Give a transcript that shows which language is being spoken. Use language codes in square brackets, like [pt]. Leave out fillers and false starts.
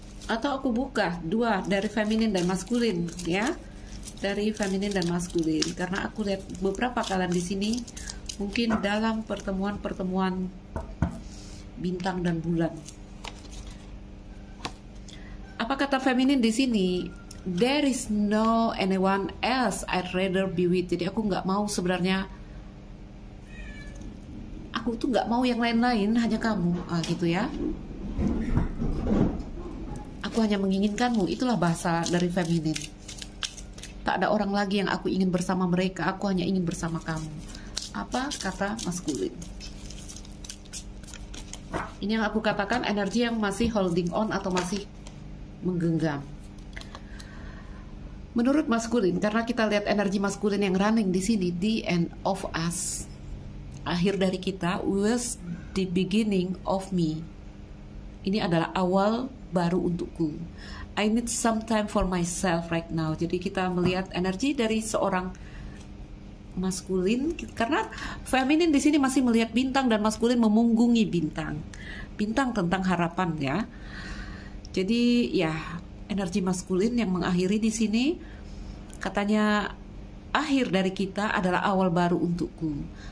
[id] Atau aku buka dua dari feminin dan maskulin ya, dari feminin dan maskulin, karena aku lihat beberapa kalian di sini mungkin dalam pertemuan-pertemuan bintang dan bulan. Apa kata feminin di sini? [en] There is no anyone else I'd rather be with. [id] Jadi aku nggak mau sebenarnya, aku tuh nggak mau yang lain-lain, hanya kamu, gitu ya. Aku hanya menginginkanmu, itulah bahasa dari feminin. Tak ada orang lagi yang aku ingin bersama mereka, aku hanya ingin bersama kamu. Apa kata maskulin? Ini yang aku katakan energi yang masih holding on atau masih menggenggam. Menurut maskulin, karena kita lihat energi maskulin yang running di sini, [en] the end of us, [id] akhir dari kita, [en] was the beginning of me. [id] Ini adalah awal baru untukku. [en] I need some time for myself right now. [id] Jadi kita melihat energi dari seorang maskulin, karena feminin di sini masih melihat bintang dan maskulin memunggungi bintang. Bintang tentang harapan ya. Jadi ya, energi maskulin yang mengakhiri di sini katanya, akhir dari kita adalah awal baru untukku.